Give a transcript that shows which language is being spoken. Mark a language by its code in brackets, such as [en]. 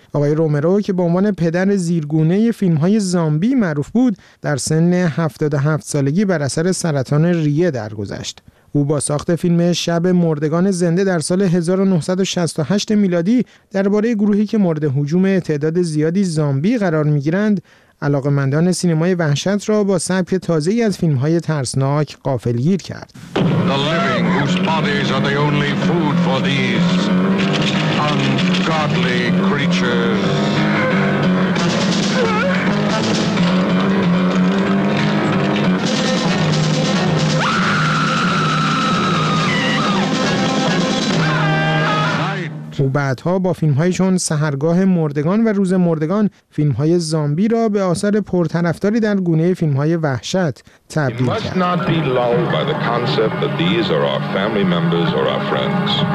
[fa] آقای رومرو که به عنوان پدر زیرگونه فیلمهای زامبی معروف بود، در سن 77 سالگی بر اثر سرطان ریه درگذشت. او با ساخت فیلم شب مردگان زنده در سال 1968 میلادی درباره گروهی که مورد هجوم تعداد زیادی زامبی قرار می‌گیرند، علاقه‌مندان سینمای وحشت را با سبک تازه‌ای از فیلم‌های ترسناک غافلگیر کرد. [en] The living whose bodies are the only food for these ungodly creatures. [fa] او بعدها با فیلم‌های چون سحرگاه مردگان و روز مردگان فیلم‌های زامبی را به آثار پرطرفداری در گونه فیلم‌های وحشت تبدیل کرد. [en] Must not be lulled by the concept that these are our family members or our friends.